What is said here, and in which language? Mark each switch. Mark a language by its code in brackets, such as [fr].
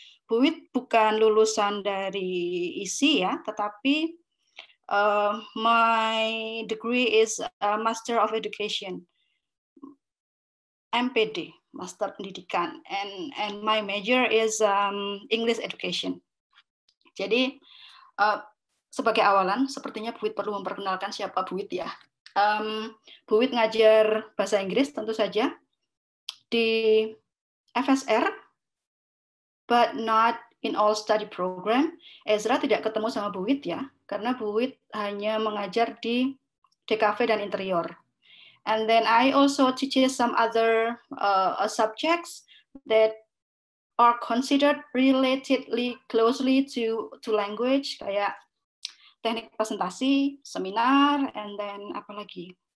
[id] Buit bukan lulusan dari ISI ya, tetapi [en] my degree is a Master of Education. MPD, Master Pendidikan, and my major is English Education. [id] Jadi, sebagai awalan, sepertinya Buit perlu memperkenalkan siapa Buit ya. Buit ngajar bahasa Inggris tentu saja di FSR, [en] but not in all study program. [id] Ezra tidak ketemu sama Buit ya, karena Buit hanya mengajar di DKV dan interior. [en] And then I also teach some other subjects that are considered relatedly closely to language, [id] kayak teknik presentasi, [en] seminar, and then [id] apa lagi?